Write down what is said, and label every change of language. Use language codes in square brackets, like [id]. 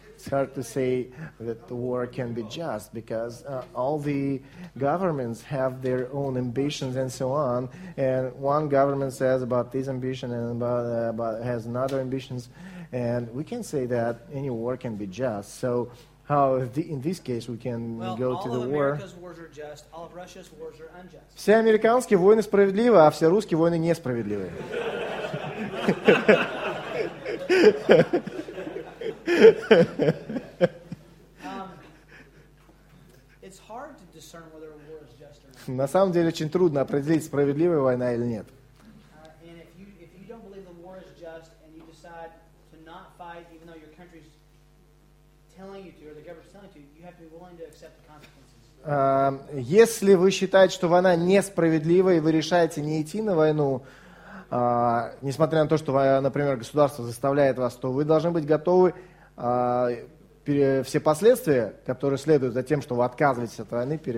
[en] Hard to say that the war can be just because all the governments have their own ambitions and so on, and one government says about this ambition and about has another ambitions, and we can say that any war can be just. So how in this case we can go to the war? Well, all of America's wars are just. All of Russia's wars are unjust. [ru] Все американские войны справедливы, а все русские войны несправедливы. [en] It's hard to discern whether a war is just or not. [ru] На самом деле очень трудно определить, справедливая война или нет. [en] And if you don't believe the war is just and you decide to not fight even though your country's telling you to or the government's telling you to, you have to be willing to accept the consequences. [ru] Если вы считаете, что война несправедлива и вы решаете не идти на войну, несмотря на то, что, например, государство заставляет вас, то вы должны быть готовы все последствия, которые следуют за тем, что вы отказываетесь от войны,